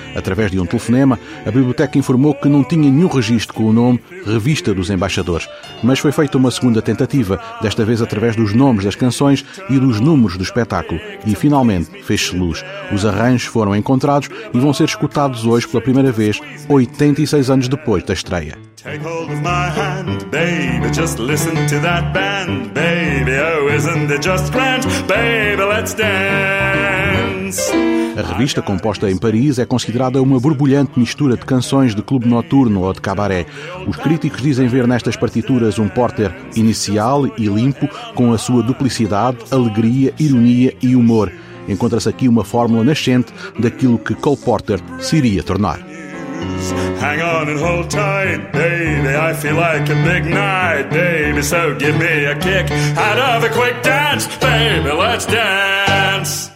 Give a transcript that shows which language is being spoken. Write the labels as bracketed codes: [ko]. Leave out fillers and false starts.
[pt] Através de um telefonema, a biblioteca informou que não tinha nenhum registro com o nome Revista dos Embaixadores. Mas foi feita uma segunda tentativa, desta vez através dos nomes das canções e dos números do espetáculo. E finalmente fez-se luz. Os arranjos foram encontrados e vão ser escutados hoje pela primeira vez, 86 anos depois da estreia. [en] Take hold of my hand, baby, just listen to that band, baby, oh, isn't it just grand, baby, let's dance. [pt] A revista, composta em Paris, é considerada uma borbulhante mistura de canções de clube noturno ou de cabaré. Os críticos dizem ver nestas partituras um Porter inicial e limpo, com a sua duplicidade, alegria, ironia e humor. Encontra-se aqui uma fórmula nascente daquilo que Cole Porter se iria tornar. [en] Hang on and hold tight, baby, I feel like a big night, baby, so give me a kick out of a quick dance, baby, let's dance.